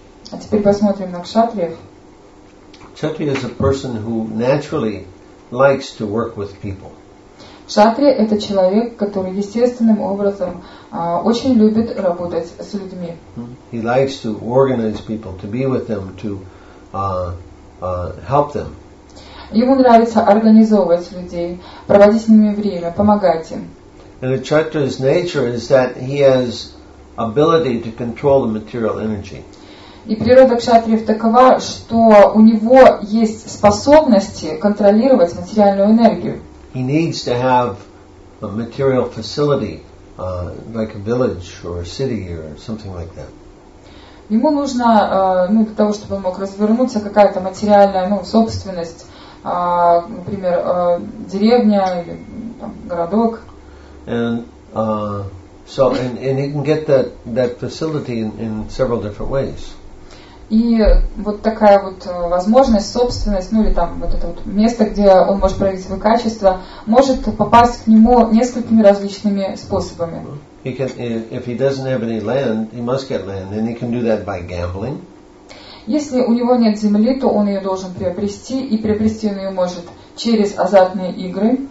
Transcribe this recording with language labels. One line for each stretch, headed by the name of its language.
Russian: А теперь посмотрим на кшатриев.
English: Kshatriya is a person who naturally likes to work with people.
Russian: Кшатрия – это человек, который естественным образом очень любит работать с людьми.
English: He likes to organize people, to be with them, to help them.
Russian: Ему нравится организовывать людей, проводить с ними время, помогать им.
English: And a Kshatriya's nature is that he has ability to control the material energy.
Russian: И природа кшатриев такова, что у него есть способности контролировать материальную энергию.
English: He needs to have a material facility, like a village or a city or something like that.
Russian: Ему нужно, ну, для того, чтобы он мог развернуться, какая-то материальная, ну, собственность, например, деревня или там, городок.
English: And he can get that facility in several different ways.
Russian: И вот такая вот возможность, собственность, ну или там вот это вот место, где он может проявить свои качества, может попасть к нему несколькими различными способами.
English: He can, if he doesn't have any land, he must get land, and he can do that by gambling.
Russian: Если у него нет земли, то он ее должен приобрести, и приобрести он ее может через азартные игры.